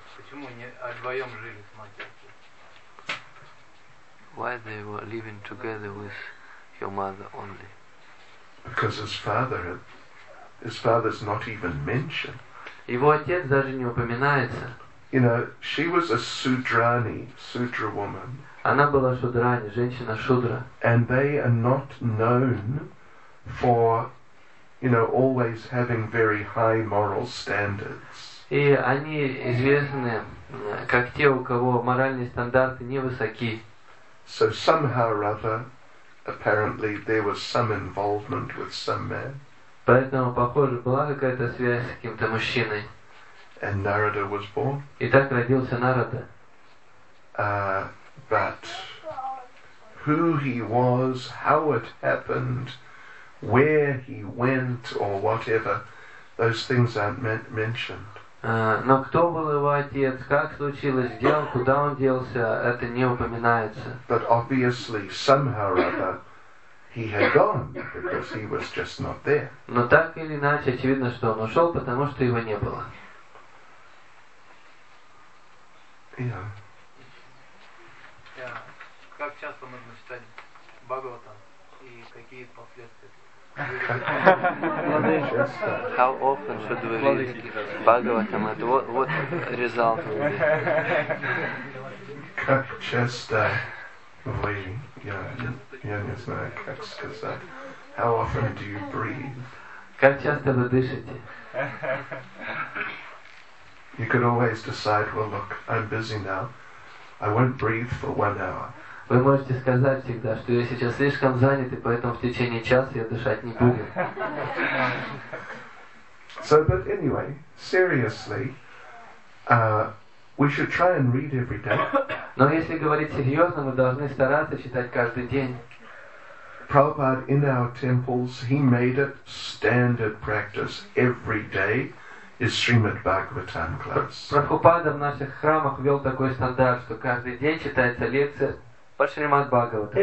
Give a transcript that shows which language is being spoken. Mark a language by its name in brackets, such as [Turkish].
[Russian] Почему не вдвоем жили с матерью? [English] Why they were living together with your mother only? Because his father's not even mentioned. [Russian] Его отец даже не упоминается. [English] You know, she was a Sudrani, Sudra woman. [Russian] Она была шудрани, женщина шудра. [English] And they are not known for, you know, always having very high moral standards. [Russian] И они известны как те, у кого моральные стандарты невысоки. [English] So somehow or other, apparently there was some involvement with some man. [Russian] Поэтому, похоже, была какая-то связь с каким-то мужчиной. [English] And Narada was born. [Russian] И так родился Нарада. [English] But who he was, how it happened, where he went, or whatever, those things aren't mentioned. [Russian] Но кто был его отец, как случилось, где он, куда он делся, это не упоминается. [English] But obviously, somehow or other, he had gone because he was just not there. [Russian] Но так или иначе, очевидно, что он ушел, потому что его не было. Как часто нужно читать Бхагаватам и какие последствия? [English] How often should we read Bhagavatam? And what result? [Russian] Как часто вы, я не знаю, как сказать. [English] How often do you breathe? [Russian] Как часто вы дышите? [English] You could always decide, well, look, I'm busy now. I won't breathe for 1 hour. [Russian] Вы можете сказать всегда, что я сейчас слишком занят, и поэтому в течение часа я дышать не буду. [English] So, but anyway, seriously, we should try and read every day. [Russian] Но если говорить серьезно, мы должны стараться читать каждый день. [English] Prabhupada in our temples, he made it standard practice every day. Is Srimad Bhagavatam class. [Russian] Прабхупада в наших храмах ввел такой стандарт, что каждый день читается лекция по Шримад Бхагаватам.